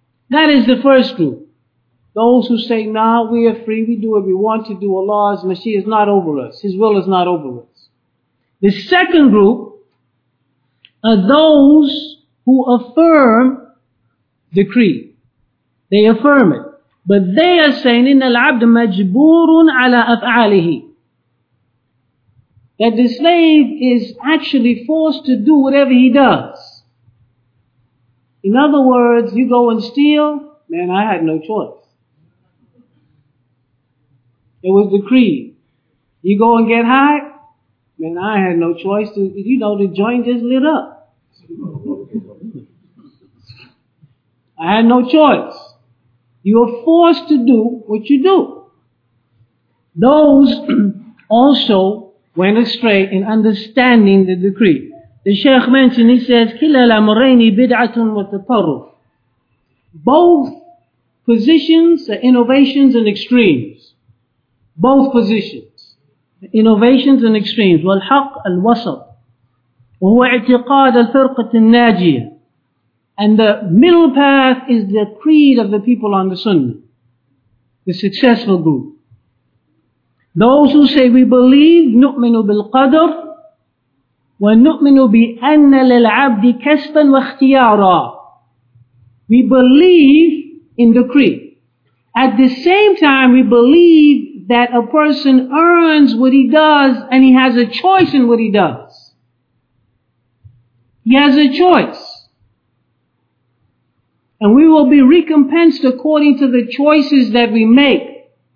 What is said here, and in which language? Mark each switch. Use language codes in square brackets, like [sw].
[en] That is the first group. Those who say, now we are free, we do what we want to do, Allah's Mashiach is not over us, His will is not over us. The second group are those who affirm decree. They affirm it. But they are saying, [ar] إِنَّ الْعَبْدُ مَجْبُورٌ عَلَىٰ أَفْعَالِهِ. [en] That the slave is actually forced to do whatever he does. In other words, you go and steal, man, I had no choice. It was decreed. You go and get high, man, I had no choice. You know, the joint just lit up. I had no choice. You are forced to do what you do. Those also went astray in understanding the decree. The Shaykh mentioned, he says, [ar] كِلَا الْأَمْرَيْنِ بِدْعَةٌ وَتَطَرُّفٌ. [en] Both positions are innovations and extremes. Both positions. Innovations and extremes. [ar] وَالْحَقِّ الْوَسَطِ وَهُوَ اِعْتِقَادَ الْفِرْقَةِ النَّاجِيَةِ. [en] And the middle path is the creed of the people on the Sunnah. The successful group. Those who say we believe, [ar] نؤمن بالقدر ونؤمن بأن للعبد كسبا واختيارا. [en] We believe in decree. At the same time, we believe that a person earns what he does and he has a choice in what he does. He has a choice. And we will be recompensed according to the choices that we make.